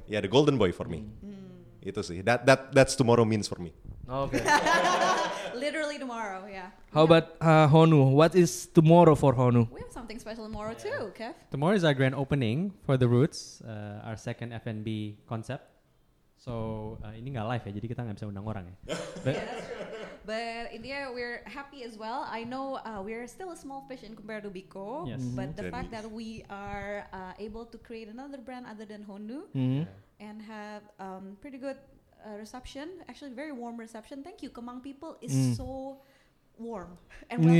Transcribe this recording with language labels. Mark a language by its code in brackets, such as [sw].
[en] Yeah, the golden boy for me. [id] Itu sih, [en] that's tomorrow means for me. Okay. Literally tomorrow, yeah. How about Honu? What is tomorrow for Honu? We have something special tomorrow too, Kev. Tomorrow is our grand opening for The Roots, our second F&B concept. [id] So ini gak live ya, jadi kita gak bisa undang orang ya. [en] But in the end we're happy as well. I know we're still a small fish in compared to Biko. Yes. Mm-hmm. But the fact that we are able to create another brand other than Honu and have pretty good reception, actually very warm reception. Thank you, Kemang people is so warm and welcoming.